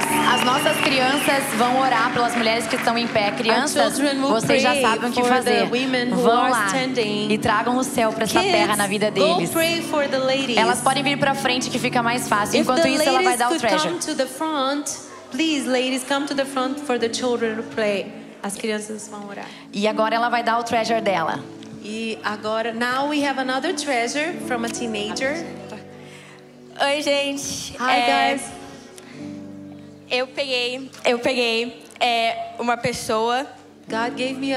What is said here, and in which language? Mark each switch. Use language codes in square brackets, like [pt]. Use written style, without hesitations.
[pt] As nossas crianças vão orar pelas mulheres que estão em pé. Crianças, vocês já sabem o que fazer. Vão lá e tragam o céu para essa terra na vida deles. Elas podem vir para frente que fica mais fácil. Enquanto isso, ela vai dar o treasure. [en] Please, ladies, come to the front for the children to play. [pt] As crianças vão orar. E agora ela vai dar o treasure dela. E agora, [en] now we have another treasure from a teenager. [pt] Oi, gente. [en] Hi, guys. [pt] Eu peguei uma pessoa. [en] God gave me a